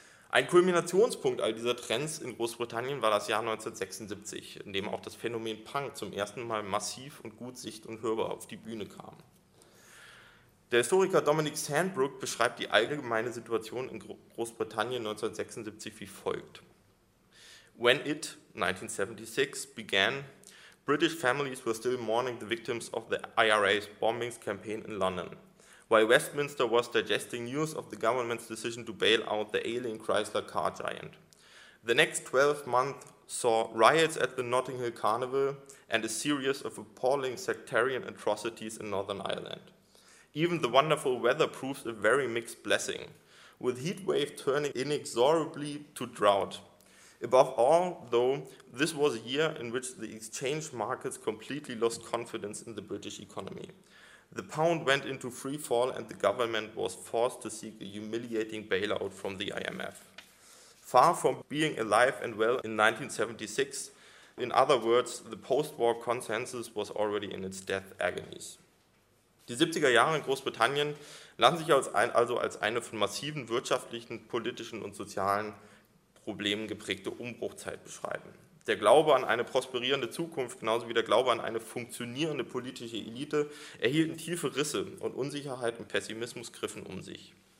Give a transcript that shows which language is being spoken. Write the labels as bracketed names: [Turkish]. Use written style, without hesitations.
[German] Ein Kulminationspunkt all dieser Trends in Großbritannien war das Jahr 1976, in dem auch das Phänomen Punk zum ersten Mal massiv und gut sicht- und hörbar auf die Bühne kam. Der Historiker Dominic Sandbrook beschreibt die allgemeine Situation in Großbritannien 1976 wie folgt. [English] When it, 1976, began, British families were still mourning the victims of the IRA's bombings campaign in London. While Westminster was digesting news of the government's decision to bail out the ailing Chrysler car giant. The next 12 months saw riots at the Notting Hill Carnival and a series of appalling sectarian atrocities in Northern Ireland. Even the wonderful weather proves a very mixed blessing, with heat wave turning inexorably to drought. Above all, though, this was a year in which the exchange markets completely lost confidence in the British economy. The pound went into free fall and the government was forced to seek a humiliating bailout from the IMF. Far from being alive and well in 1976, in other words, the post-war consensus was already in its death agonies. [German] Die 70er Jahre in Großbritannien lassen sich als eine von massiven wirtschaftlichen, politischen und sozialen Problemen geprägte Umbruchzeit beschreiben. Der Glaube an eine prosperierende Zukunft, genauso wie der Glaube an eine funktionierende politische Elite, erhielten tiefe Risse und Unsicherheit und Pessimismus griffen um sich.